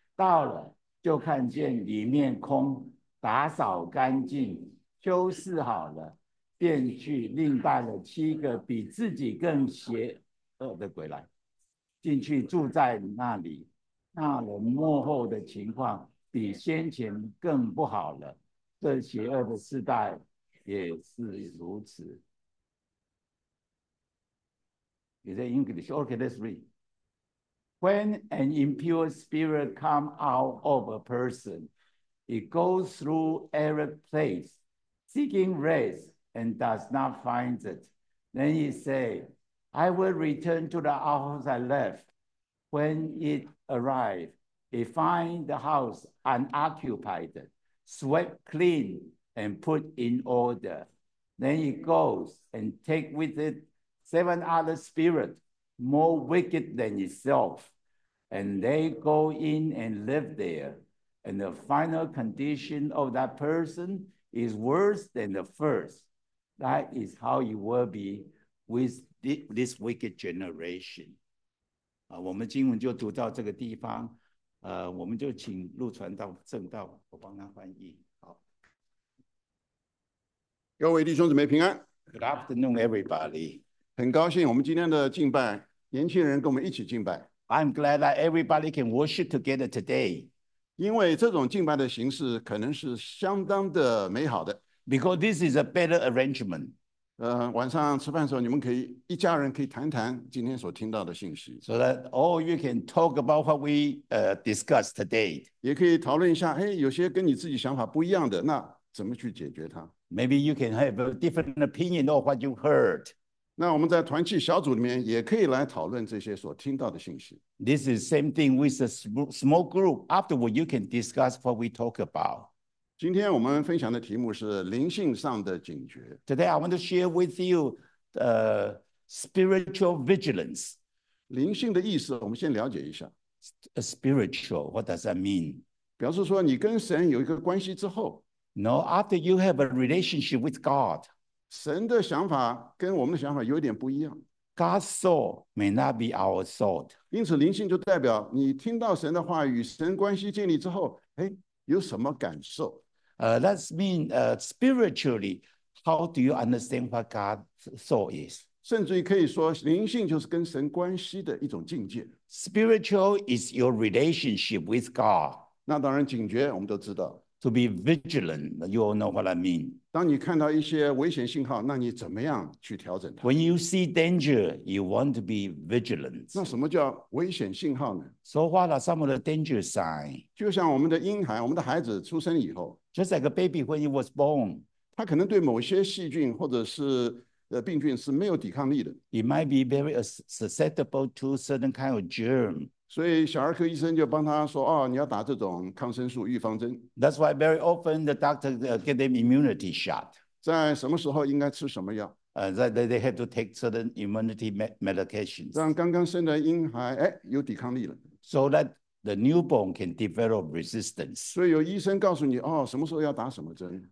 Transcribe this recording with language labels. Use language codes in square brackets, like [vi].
[zh] 到了，就看见里面空，打扫干净，修饰好了，便去另带了七个比自己更邪恶的鬼来，进去住在那里。那人末后的情况比先前更不好了，这邪恶的时代也是如此。 [en] Is it English? Okay, let's read. When an impure spirit comes out of a person, it goes through every place, seeking rest, and does not find it. Then it says, I will return to the house I left. When it arrives, it finds the house unoccupied, swept clean, and put in order. Then it goes and takes with it seven other spirits, more wicked than itself, and they go in and live there. And the final condition of that person is worse than the first. That is how it will be with this wicked generation. [zh] 我们经文就读到这个地方，我们就请陆传道正道，我帮他翻译。好，各位弟兄姊妹平安。 [en] Good afternoon, everybody. [zh] 很高兴我们今天的敬拜，年轻人跟我们一起敬拜。 [en] I'm glad that everybody can worship together today. [zh] 因为这种敬拜的形式可能是相当的美好的。 [en] Because this is a better arrangement. [zh] 晚上吃饭的时候，你们可以一家人可以谈谈今天所听到的信息。 [en] So that all you can talk about what we discuss today. [zh] 也可以讨论一下，嘿，有些跟你自己想法不一样的，那怎么去解决它 [en] ？Maybe you can have a different opinion of what you heard. [zh] 那我们在团契小组里面也可以来讨论这些所听到的信息。 [en] This is same thing with a small group. Afterward, you can discuss what we talk about. [zh] 今天我们分享的题目是灵性上的警觉。 [en] Today I want to share with you spiritual vigilance. [zh] 灵性的意思我们先了解一下。 [en] Spiritual, what does that mean? [zh] 表示说你跟神有一个关系之后。 [en] No, after you have a relationship with God. [zh] 神的想法跟我们的想法有点不一样。 [en] God's thought may not be our thought. [zh] 因此灵性就代表你听到神的话与神关系建立之后，哎，有什么感受？ [en] That means spiritually, how do you understand what God's thought is? [zh] 甚至于可以说，灵性就是跟神关系的一种境界。 [en] Spiritual is your relationship with God. [zh] 那当然，警觉我们都知道。 [en] To be vigilant, you all know what I mean. [zh] 当你看到一些危险信号，那你怎么样去调整它 [en] ？When you see danger, you want to be vigilant. [zh] 那什么叫危险信号呢 [en] ？So what are some of the danger signs? [zh] 就像我们的婴孩，我们的孩子出生以后 [en] ，just like a baby when he was born, [zh] 他可能对某些细菌或者是病菌是没有抵抗力的。 [en] He might be very susceptible to certain kind of germ. [zh] 所以小儿科医生就帮他说，哦，你要打这种抗生素预防针。 [en] That's why very often the doctor get them immunity shot. [zh] 在什么时候应该吃什么药？ [en] That they have to take certain immunity medications. [zh] 让刚刚生的婴孩，哎，有抵抗力了。 [en] So that the newborn can develop resistance. [zh] 所以有医生告诉你，哦，什么时候要打什么针。